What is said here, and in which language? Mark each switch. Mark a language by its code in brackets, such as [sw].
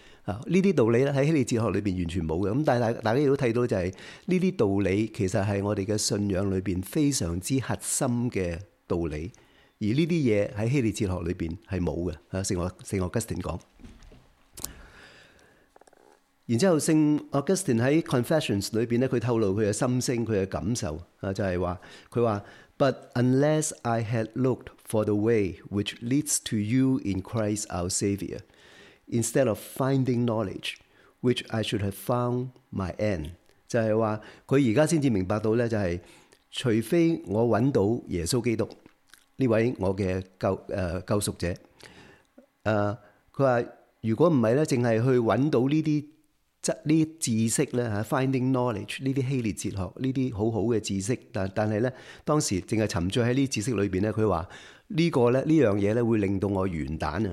[zh] 呢些道理在希利哲学里面完全没有的，但大家也看到就是这些道理其实是我们的信仰里面非常之核心的道理，而这些东西在希利哲学里面是没有的，圣Augustine说。然后圣Augustine在 Confessions 里面，他透露他的心声，他的感受，就是说，他说 [en] But unless I had looked for the way which leads to you in Christ our Savior,instead of finding knowledge, which I should have found my end. [zh] 就是说他现在才明白到，就是除非我找到耶稣基督这位我的 救赎者。他说如果不是只是去找到这些知识 , [en] finding knowledge, [zh] 这些希列哲学这些很好的知识，但是呢当时只是沉醉在这些知识里面，他说这个呢，这样东西会令到我完蛋。